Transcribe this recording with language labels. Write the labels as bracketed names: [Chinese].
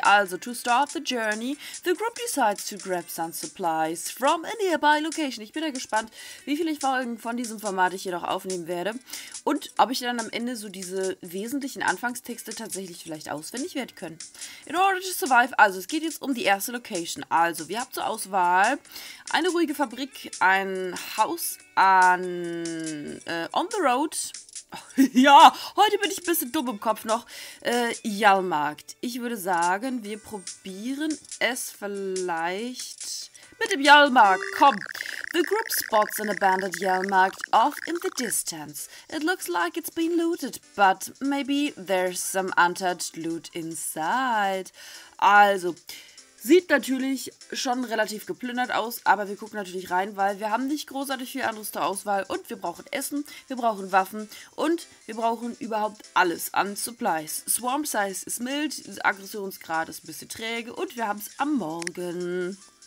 [English] Also, to start the journey, the group decides to grab some supplies from a nearby location. [German] Ich bin ja gespannt, wie viele Folgen von diesem Format ich hier noch aufnehmen werde. Und ob ich dann am Ende so diese wesentlichen Anfangstexte tatsächlich vielleicht auswendig werden können. [English] In order to survive, [German] also es geht jetzt um die erste Location. Also, wir haben zur Auswahl eine ruhige Fabrik, ein Haus an [English] on the road. [German] Ja, heute bin ich ein bisschen dumm im Kopf noch. Jahlmarkt. Ich würde sagen, wir probieren es vielleicht mit dem Jahlmarkt. Komm. [English] The group spots an abandoned Jahlmarkt off in the distance. It looks like it's been looted, but maybe there's some untouched loot inside. [German] Also, sieht natürlich schon relativ geplündert aus, aber wir gucken natürlich rein, weil wir haben nicht großartig viel anderes zur Auswahl und wir brauchen Essen, wir brauchen Waffen und wir brauchen überhaupt alles an Supplies. Swarm Size ist mild, Aggressionsgrad ist ein bisschen träge und wir haben es am Morgen.